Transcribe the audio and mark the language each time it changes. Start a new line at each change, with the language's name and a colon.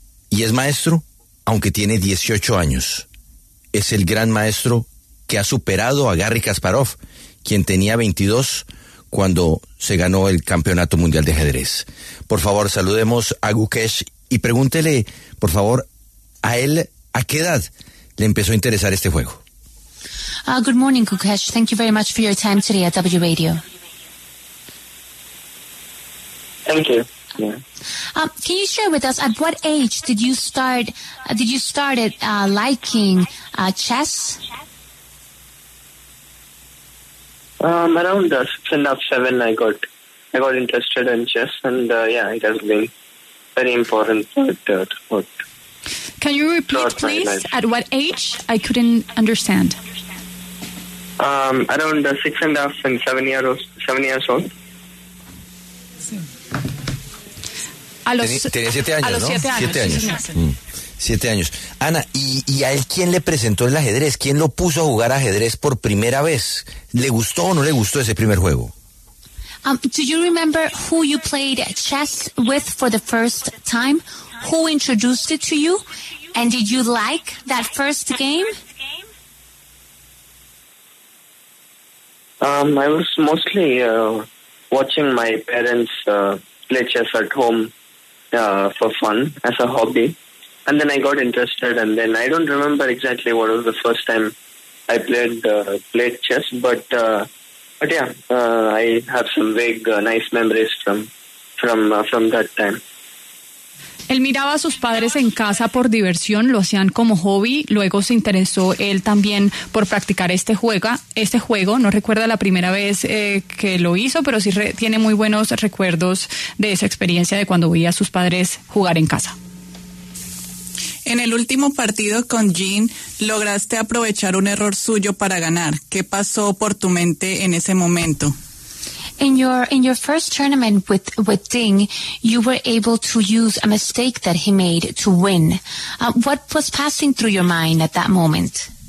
Spanish: Y es maestro, aunque tiene 18 años. Es el gran maestro que ha superado a Garry Kasparov, quien tenía 22 cuando se ganó el Campeonato Mundial de Ajedrez. Por favor, saludemos a Gukesh y pregúntele, por favor, a él, ¿a qué edad le empezó a interesar este juego?
English: Good morning, Gukesh. Thank you very much for your time today at W Radio. Thank you. Can you share with us at what age did you start? Did you start it liking chess? Around 6 and 7, I got interested in chess, and it has been very important throughout. Can you repeat, please? At what age? I couldn't understand. Around 6 and 7 years old.
Spanish: Tenía 7 años, ¿no? 7 años. Siete años. Ana, ¿y a él quién le presentó el ajedrez? ¿Quién lo puso a jugar ajedrez por primera vez? ¿Le gustó o no le gustó ese primer juego?
English: Do you remember who you played chess with for the first time? Who introduced it to you? And did you like that first game? I was mostly watching my parents play chess at home. For fun, as a hobby. And then I got interested, and then I don't remember exactly what was the first time I played chess, but I have some vague, nice memories from that time.
Spanish: Él miraba a sus padres en casa por diversión, lo hacían como hobby, luego se interesó él también por practicar este juego, no recuerda la primera vez que lo hizo, pero sí tiene muy buenos recuerdos de esa experiencia de cuando veía a sus padres jugar en casa. En el último partido con Jean, lograste aprovechar un error suyo para ganar. ¿Qué pasó por tu mente en ese momento?
English: In your first tournament with Ding, you were able to use a mistake that he made to win. What was passing through your mind at that moment?